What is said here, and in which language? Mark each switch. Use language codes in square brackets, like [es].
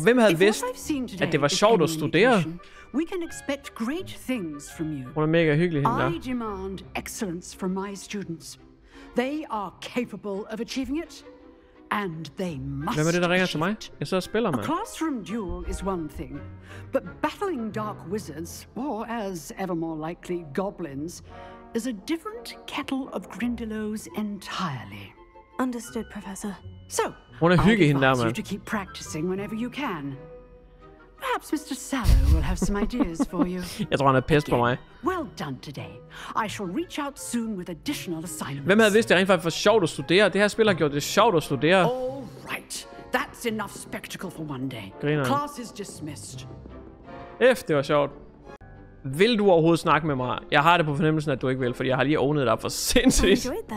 [da] Hvem havde vidst, at det var sjovt at studere? [en] We can expect great things from you. [da] Hun er mega hyggelig, hende der. [en] I demand excellence from my students. They are capable of achieving it, and they must. [da] Hvem er det, der ringer til mig? Jeg sidder og spiller, man. [en] A classroom duel is one thing, but battling dark wizards, or as ever more likely, goblins, is a different kettle of Grindelow's entirely. Understood, Professor. So, I advise you to keep practicing whenever you can. Perhaps Mr. Sallow will have some ideas for you. [da] Jeg tror, han er pissed på mig. [en] Well done today. I shall reach out soon with additional assignments. [da] Hvem havde vidst, det rent faktisk var sjovt at studere? Det her spil har gjort det sjovt at studere. [en] All right. That's enough spectacle for one day. [da] Griner. [en] Class is dismissed. [da] F, det var sjovt. Vil du overhovedet snakke med mig? Jeg har det på fornemmelsen, at du ikke vil, fordi jeg har lige ovnet dig for sindssygt.